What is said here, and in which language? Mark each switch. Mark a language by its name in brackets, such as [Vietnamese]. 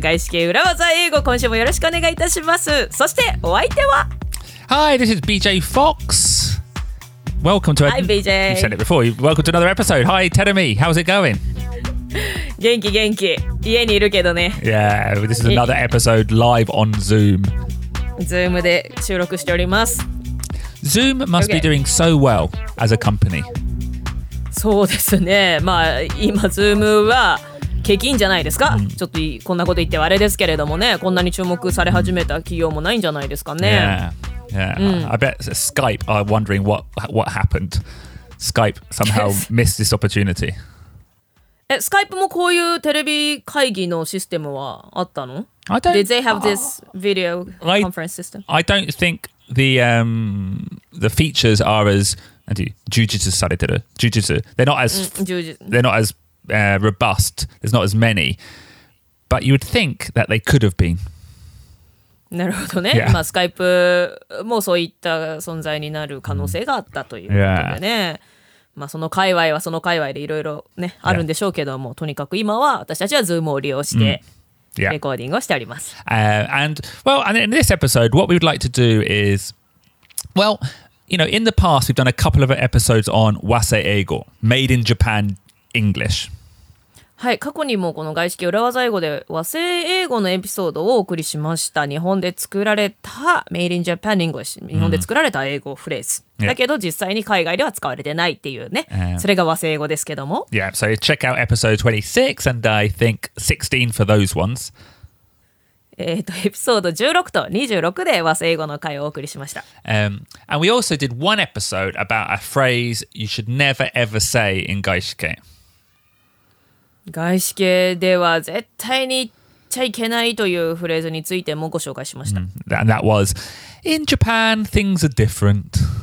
[Japanese] 外資系裏技英語、今週もよろしくお願いいたします。そしてお相手は、 [English] Hi, this is BJ Fox. Welcome to a... Hi BJ. You said it before. Welcome to another episode. Hi Terumi, how's it going? [Japanese] 元気元気、家にいるけどね。 [English] Yeah, this is another episode live on Zoom. [Japanese] Zoom で収録しております。 [English] Zoom must be doing so well as a company. [Japanese] そうですね。まあ今 Zoom は景気いいんじゃないですか。 Mm. ちょっとこんなこと言ってはあれですけれどもね、こんなに注目され始めた企業もないんじゃないですかね。 [English] Yeah. Yeah. I bet Skype are wondering what happened. Skype somehow missed this opportunity. [Japanese] え、Skype もこういうテレビ会議のシステムはあったの？ [English] I don't. Did they have this video conference system? I don't think. The features are as jujitsu [Japanese] されてる [English] jujitsu. They're not as robust. There's not as many. But you would think that they could have been. [Japanese] なるほどね。Yeah. まあ Skype もそういった存在になる可能性があったということでね。 [English] Yeah. [Japanese] まあその界隈はその界隈でいろいろねあるんでしょうけども、yeah. とにかく今は私たちは Zoom を利用して、mm. Yeah. Recording をしております。 [English] And in this episode, what we would like to do is, well, you know, in the past, we've done a couple of episodes on Wase Eigo, Made in Japan English. [Japanese] はい、過去にもこの外資系裏技英語で Wase Eigo のエピソードをお送りしました。日本で作られた Made in Japan English、日本で作られた英語フレーズ。 Yeah. だけど実際に海外では使われてないっていうね、それが Wase Eigo ですけども。 [English] Yeah, so check out episode 26 and I think 16 for those ones. [Japanese] エピソード16と26で Wase Eigo の回をお送りしました。 [English] And we also did one episode about a phrase you should never ever say in 外資系。 [Japanese] 外資系では絶対に言っちゃいけないというフレーズについてもご紹介しました。 [English] And that was, in Japan, things are different.